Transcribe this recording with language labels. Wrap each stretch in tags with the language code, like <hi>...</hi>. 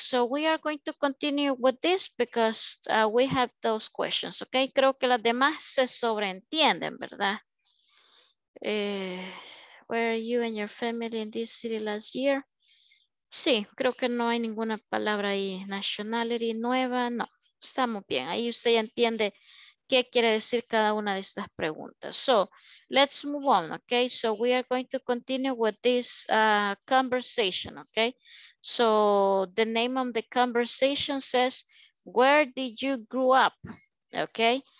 <en>So, we are going to continue with this because we have those questions, okay?</en> <es>Creo que las demás se sobreentienden, ¿verdad?</es> <en>Where are you and your family in this city last year?</en> <es>Sí, creo que no hay ninguna palabra ahí. Nationality nueva, no. Estamos bien. Ahí usted ya entiende qué quiere decir cada una de estas preguntas.</es> <en>So, let's move on, okay? So, we are going to continue with this conversation, okay? So, the name of the conversation says, where did you grow up, okay?</en>